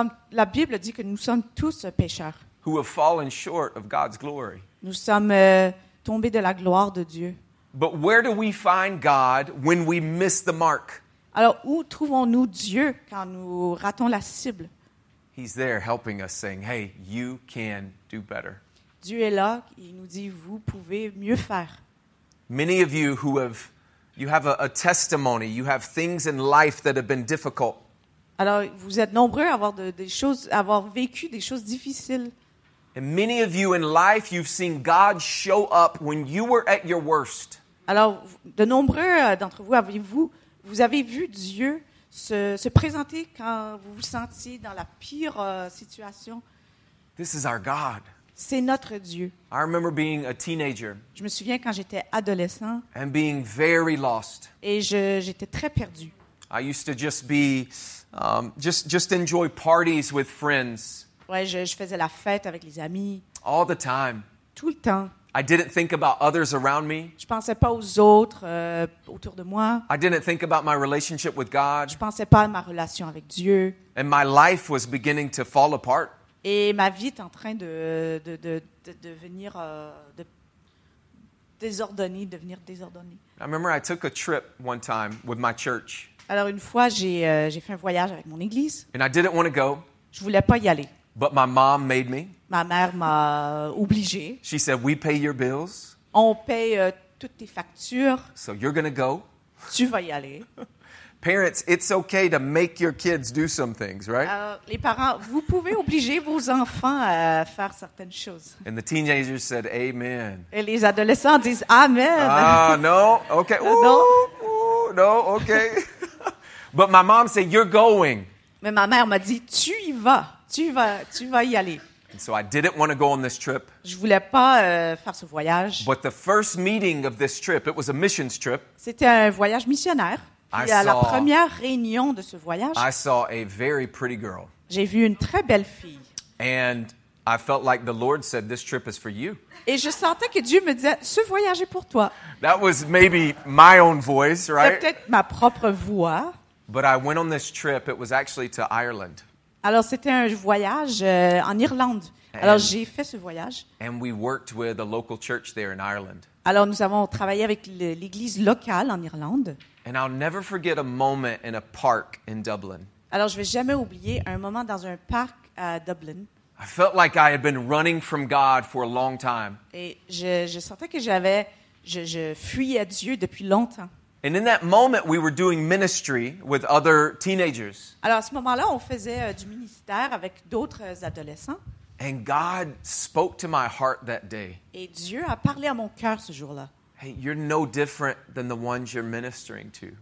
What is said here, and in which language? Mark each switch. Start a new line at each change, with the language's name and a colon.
French: La Bible dit que nous sommes tous pécheurs.
English: Who have fallen short of God's glory.
French: Nous sommes tombés de la gloire de Dieu.
English: But where do we find God when we miss the mark?
French: Alors où trouvons-nous Dieu quand nous ratons la cible?
English: He's there helping us saying, "Hey, you can do better."
French: Dieu est là, il nous dit vous pouvez mieux faire.
English: Many of you who have you have a testimony. You have things in life that have been difficult.
French: Alors, vous êtes nombreux à avoir des choses, à avoir vécu des choses difficiles.
English: And many of you in life, you've seen God show up when you were at your worst.
French: Alors, de nombreux d'entre vous, vous avez vu Dieu se présenter quand vous vous sentiez dans la pire situation.
English: This is our God.
French: C'est notre Dieu.
English: I remember being a teenager.
French: Je me souviens quand j'étais adolescent.
English: And being very lost.
French: Et j'étais très perdu.
English: I used to just be, just enjoy parties with friends.
French: Ouais, je faisais la fête avec les amis.
English: All the time.
French: Tout le temps.
English: I didn't think about others around me.
French: Je pensais pas aux autres autour de moi.
English: I didn't think about my relationship with God.
French: Je pensais pas à ma relation avec Dieu.
English: And my life was beginning to fall apart.
French: Et ma vie est en train de devenir désordonnée.
English: I remember I took a trip one time with my church.
French: Alors une fois j'ai fait un voyage avec mon église.
English: And I didn't want to go.
French: Je voulais pas y aller.
English: But my mom made me.
French: Ma mère m'a obligé.
English: She said we pay your bills.
French: On paye toutes tes factures.
English: So you're going to go.
French: Tu vas y aller.
English: Parents, it's okay to make your kids do some things, right?
French: Les parents, vous pouvez obliger vos enfants à faire certaines choses.
English: And the teenagers said, amen.
French: Et les adolescents disent, amen.
English: Ah, no, okay. Ooh, non. Ooh, no, okay. But my mom said, you're going.
French: Mais ma mère m'a dit, tu vas y aller.
English: And so I didn't want to go on this trip.
French: Je voulais pas faire ce voyage.
English: But the first meeting of this trip, it was a missions trip.
French: C'était un voyage missionnaire. Et à la première réunion de ce voyage,
English: I saw a very pretty girl.
French: J'ai vu une très belle fille.
English: And I felt like the Lord said, this trip is for you.
French: Et je sentais que Dieu me disait, ce voyage est pour toi.
English: That was maybe my own voice, right?
French: C'était peut-être ma propre voix.
English: But I went on this trip, it was actually to Ireland.
French: Alors c'était un voyage en Irlande. Alors j'ai fait ce voyage.
English: And we worked with a local church there in Ireland.
French: Alors nous avons travaillé avec l'église locale en Irlande.
English: And I'll never forget a moment in a park in Dublin.
French: Alors je vais jamais oublier un moment dans un parc à Dublin.
English: I felt like I had been running from God for a long time.
French: Et je sentais que je fuyais Dieu depuis longtemps.
English: And in that moment we were doing ministry with other teenagers.
French: Alors à ce moment-là, on faisait du ministère avec d'autres adolescents.
English: And God spoke to my heart that day.
French: Et Dieu a parlé à mon cœur ce jour-là.
English: Hey, you're no different than the ones you're ministering to.